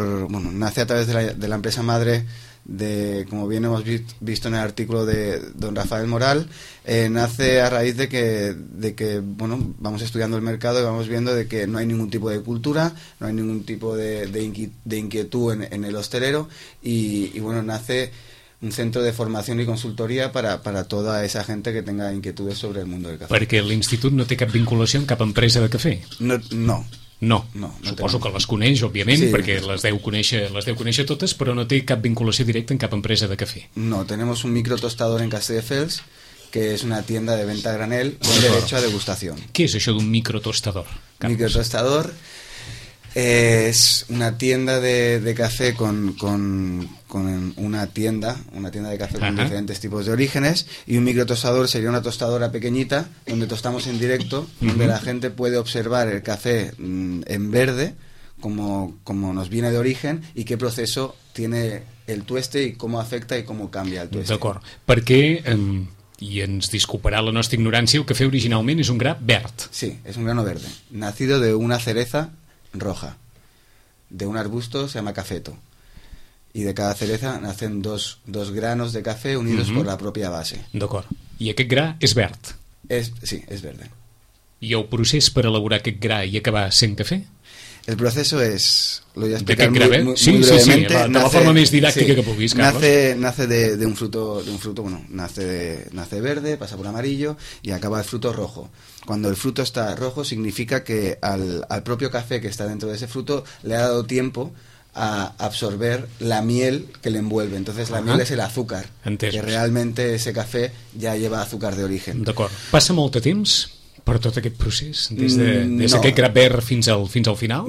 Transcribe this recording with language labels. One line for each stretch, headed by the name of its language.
Spanish: Nace a través de la empresa madre de, como bien hemos visto en el artículo de don Rafael Moral, nace a raíz de que bueno, vamos estudiando el mercado y vamos viendo de que no hay ningún tipo de cultura, no hay ningún tipo de inquietud en el hostelero y bueno, nace un centro de formación y consultoría para toda esa gente que tenga inquietudes sobre el mundo del café. Porque el instituto no tiene cap vinculación con cap empresa de café. No.
Catalan: No, suposo que les coneix, òbviament, sí, perquè les deu conèixer totes, però no té cap vinculació directa en cap empresa de cafè.
Spanish: No, tenemos un microtostador en Castelldefels, que es una tienda de venta a granel con derecho a degustación.
Catalan: Què és això d'un microtostador?
Spanish: Microtostador es una tienda de café con una tienda de café con diferentes tipos de orígenes, y un microtostador sería una tostadora pequeñita donde tostamos en directo, donde la gente puede observar el café en verde como nos viene de origen y qué proceso tiene el tueste y cómo afecta y cómo cambia el tueste.
Catalan: D'acord. Perquè, i ens disculparà la nostra ignorància, el café originalment és un gra verd.
Spanish: Sí, es un grano verde, nacido de una cereza roja de un arbusto, se llama cafeto, y de cada cereza nacen dos granos de café unidos por la propia base.
Catalan: D'acord. I aquest gra és verd?
Spanish: Sí, és verde.
Catalan: I el procés per elaborar aquest gra i acabar sent cafè?
Spanish: El proceso es, lo voy a explicar muy brevemente. Sí, la forma más didáctica, sí,
Catalan: que puguis,
Spanish: Carlos. Nace de un fruto, bueno, nace verde, pasa por amarillo y acaba el fruto rojo. Cuando el fruto está rojo significa que al propio café que está dentro de ese fruto le ha dado tiempo a absorber la miel que le envuelve. Entonces la miel es el azúcar.
Catalan: Entesos.
Spanish: Que realmente ese café ya lleva azúcar de origen.
Catalan: D'acord.
Spanish: ¿Pasa mucho tiempo
Catalan: per tot aquest procés, des d'aquest gra verd fins al final?